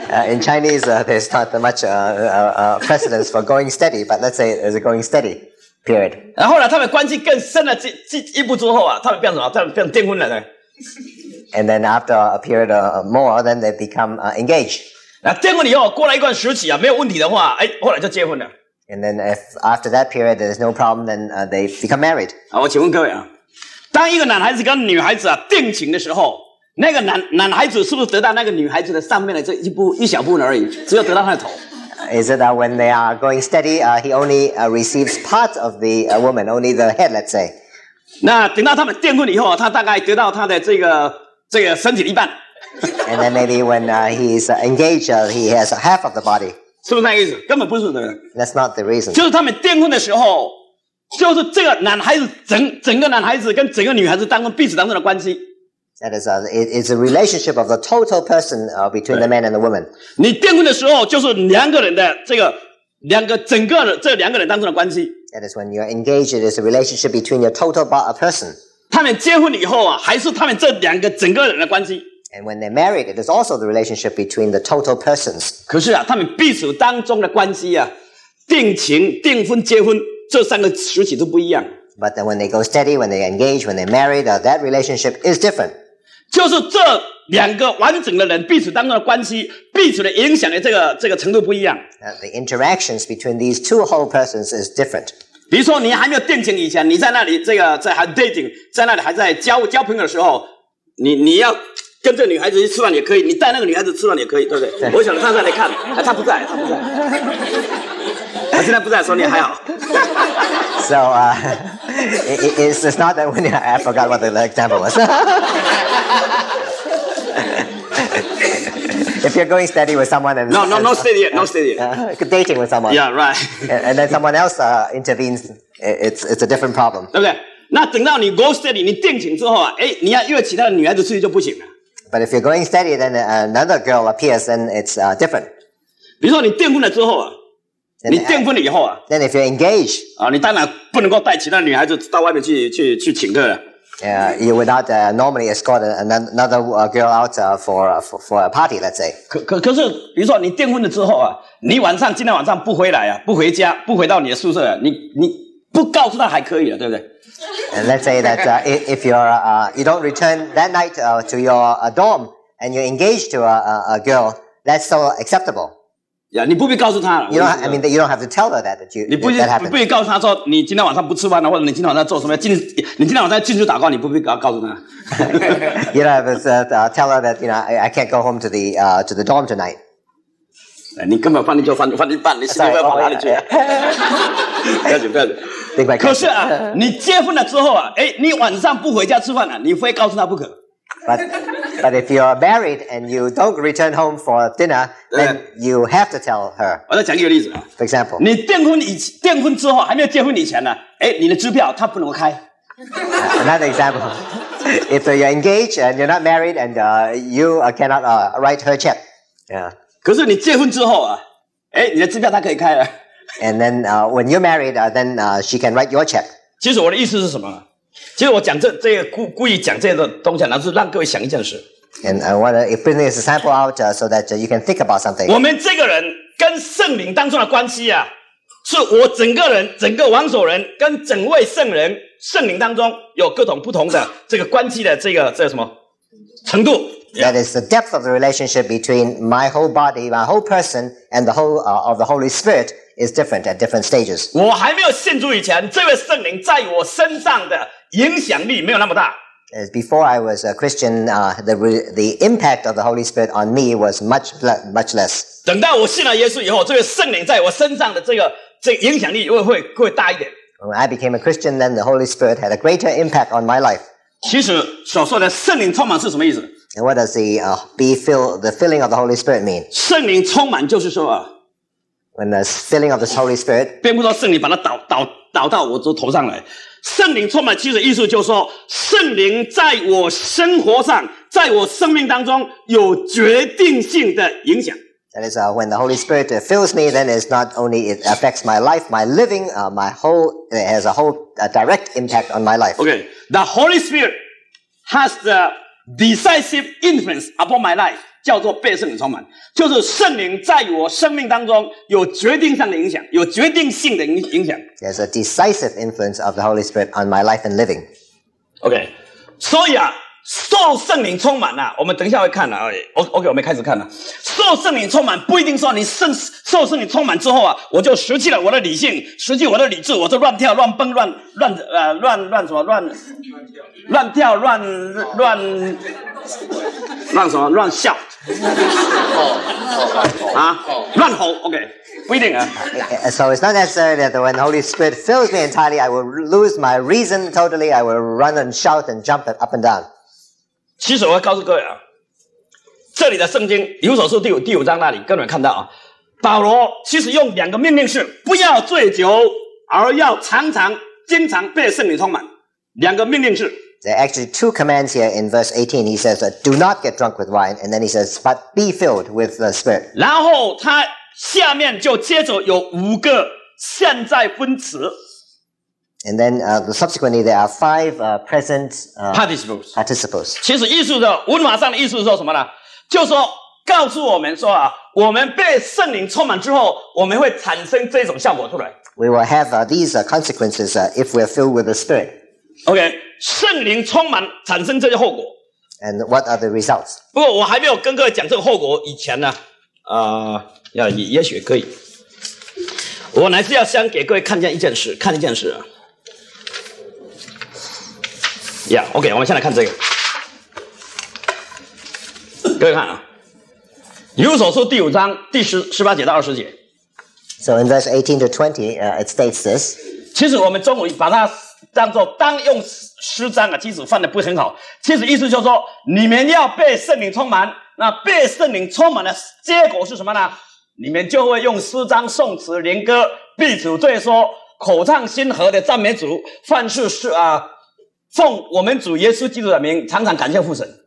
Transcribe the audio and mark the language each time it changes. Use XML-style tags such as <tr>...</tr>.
<en>In Chinese, there's not that much precedence for going steady, but let's say there's a going steady period.</en> <zh>然后呢，他们关系更深了一步之后啊，他们变什么？他们变订婚了呢</zh> <en>？And then after a period more, then they become engaged.</en> <zh>那订婚以后过了一段时期啊，没有问题的话，哎，后来就结婚了。</zh> <en>And then if after that period there's no problem, then they become married.</en> <zh>好，我请问各位啊，当一个男孩子跟女孩子啊定情的时候。那个男孩子是不是得到那个女孩子的上面的这一部一小部分而已，只有得到她的头</zh> <en>？Is it that when they are going steady, he only receives part of the woman, only the head, let's say.</en> <zh>那等到他们订婚以后，他大概得到他的这个身体的一半。</zh> <en>And then maybe when he's engaged, he has half of the body.</en> <zh>是不是那个意思？根本不是的。</zh> <en>That's not the reason.</en> <zh>就是他们订婚的时候，就是这个男孩子整个男孩子跟整个女孩子当中彼此当中的关系。</zh> <en>That is a, it's a relationship of the total person between the man and the woman.</en> <zh>你订婚的时候就是两个人的这个两个整个的这两个人当中的关系。</zh> <en>That is when you are engaged, it is a relationship between your total person.</en> <zh>他们结婚以后啊，还是他们这两个整个人的关系。</zh> <en>And when they're married, it is also the relationship between the total persons.</en> <zh>可是啊，他们彼此当中的关系啊，定情、订婚、结婚这三个时期都不一样。</zh> <en>But then when they go steady, when they engage, when they're married, that relationship is different.</en> <zh>就是这两个完整的人彼此当中的关系彼此的影响的这个程度不一样。</zh> <en>The interactions between these two whole persons is different.</en> <zh>比如说你还没有定情以前你在那里这个在还 dating, 在那里还在交朋友的时候你要跟这个女孩子去吃饭也可以你带那个女孩子吃饭也可以对不 对我想看看你看她不在她不在。她现在不在说你还好。</zh> <en>So, it's not that when I forgot what the example was. If you're going steady with someone and no steady yet, no steady yet. Dating with someone. Yeah, right. And then someone else intervenes, it's a different problem.</en> <zh>对不对？那等到你</zh> <en>go steady,</en> <zh>你定情之后啊，哎，你要约其他的女孩子出去就不行了。</zh> <en>But if you're going steady, then another girl appears, and it's different.</en> <zh>比如说你订婚了之后啊。Then, 你订婚了以后啊</zh> <en>，Then if you're engaged，</en> <zh>啊，你当然不能够带其他女孩子到外面去请客了。</zh> <en>You would not normally escort another girl out for a party, let's say.</en> <zh>可是，比如说你订婚了之后啊，你晚上今天晚上不回来啊，不回家，不回到你的宿舍、啊，你不告诉她还可以了，对不对</zh> <en>？And let's say that if you're you don't return that night to your dorm and you're engaged to a girl, that's still acceptable.</en> <zh>Yeah, 你不必告诉他了。</zh> <en>You don't have to tell her that you.</en> <zh>你不必告诉他说你今天晚上不吃饭了，或者你今天晚上做什么？你今天晚上进去祷告，你不必告诉他。</zh> <en>You don't have to tell her that you know I can't go home to the dorm tonight.</en> <zh>你根本放你就放一半，你心里不要跑哪里去？不要紧。可是啊，你结婚了之后啊，哎，你晚上不回家吃饭了，你非告诉他不可。</zh> <en>But if you are married and you don't return home for dinner, then you have to tell her.</en> <zh>我再讲一个例子啊。</zh> <en>For example,</en> <zh>你订婚之后还没有结婚以前呢，哎，你的支票他不能开。</zh> <en>Another example, if you're engaged and you're not married and you cannot write her check. Yeah.</en> <zh>可是你结婚之后啊，哎，你的支票他可以开了。</zh> <en>And then when you're married, then she can write your check.</en> <zh>其实我的意思是什么？其实我讲这个故意讲这个东西，那是让各位想一件事。</zh> <en>And I want to bring this example out so that you can think about something.</en> <zh>我们这个人跟圣灵当中的关系啊，是我整个人、整个王守仁跟整位圣人、圣灵当中有各种不同的这个关系的这个什么程度。</zh> <en>That is the depth of the relationship between my whole body, my whole person, and the whole of the Holy Spirit is different at different stages.</en> <zh>我还没有信主以前，这位圣灵在我身上的影响力没有那么大。</zh> <en>Before I was a Christian, the impact of the Holy Spirit on me was much less.</en> <zh>等到我信了耶稣以后，这个圣灵在我身上的这个影响力会大一点。</zh> <en>When I became a Christian, then the Holy Spirit had a greater impact on my life.</en> <zh>其实所说的圣灵充满是什么意思</zh> <en>？And what does the filling of the Holy Spirit mean?</en> <zh>圣灵充满就是说啊</zh> <en>，When the filling of the Holy Spirit，</en> <zh>并不说圣灵把它倒到我这头上来。圣灵充满其实意思就是说圣灵在我生活上在我生命当中有决定性的影响。</zh> <en>That is, when the Holy Spirit fills me, then it's not only it affects my life, my living, my whole, it has a whole a direct impact on my life. Okay, the Holy Spirit has the decisive influence upon my life,</en> <zh>叫做被圣灵充满。就是圣灵在我生命当中有决定上的影响有决定性的影响。</zh> <en>There's a decisive influence of the Holy Spirit on my life and living.</en> <zh>Okay, 所以啊受圣灵充满啊我们等一下会看啊 OK, 我们开始看啊。受圣灵充满不一定说你受圣灵充满之后啊我就失去了我的理性失去我的理智我就乱跳乱蹦乱乱乱乱什么乱乱跳乱乱乱什么乱笑。啊乱吼 OK。不一定啊。</zh> <en>So it's not necessary that when the Holy Spirit fills me entirely, I will lose my reason totally, I will run and shout and jump up and down.</en> <zh>其实我要告诉各位啊这里的圣经以弗所书第五章那里跟你们看到啊保罗其实用两个命令是不要醉酒而要常常经常被圣灵充满。两个命令是。</zh> <en>There are actually two commands here in verse 18. He says, do not get drunk with wine. And then he says, but be filled with the Spirit.</en> <zh>然后他下面就接着有五个现在分词。</zh> <en>And then, subsequently, there are five, present, participles. Participles.</en> <zh>其实艺术的文法上的艺术是说什么呢？就是说告诉我们说啊，我们被圣灵充满之后，我们会产生这种效果出来。</zh> <en>We will have, these, consequences, if we are filled with the Spirit. Okay.</en> <zh>圣灵充满产生这些后果。</zh> <en>And what are the results?</en> <zh>不过我还没有跟各位讲这个后果以前呢，也许可以。我还是要先给各位看见一件事，看一件事。 Yeah, okay, 我们先来看这个。各位看啊。以弗所书第五章第十八节到二十节。</zh> <en>So in verse 18 to 20, it states this.</en> <zh>其实我们中午把它当作当用诗章啊，其实翻得不很好。其实意思就是说，你们要被圣灵充满，那被圣灵充满的结果是什么呢？你们就会用诗章、颂词、灵歌、彼此对说、口唱心和的赞美主，凡事是啊，奉我们主耶稣基督的名，常常感谢父神。</zh>